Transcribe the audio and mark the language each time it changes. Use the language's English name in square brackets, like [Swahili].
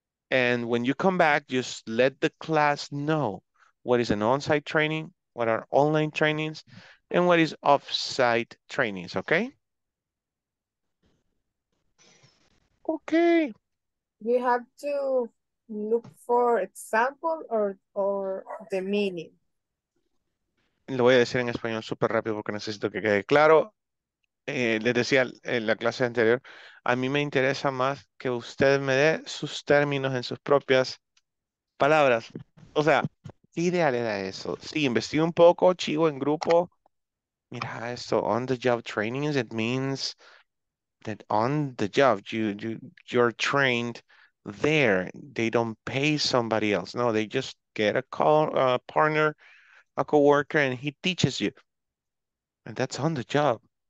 [English] And when you come back, just let the class know what is an on-site training, what are online trainings, and what is off-site trainings, okay? Okay. You have to look for example or the meaning. [Spanish] Lo voy a decir en español súper rápido porque necesito que quede claro. Les decía en la clase anterior, a mí me interesa más que usted me dé sus términos en sus propias palabras. O sea, ¿qué ideal era eso? Sí, investigue un poco, chivo en grupo. Mira esto, [English] on the job trainings, it means that on the job, you're trained there. They don't pay somebody else. No, they just get a partner, a coworker, and he teaches you. And that's on the job.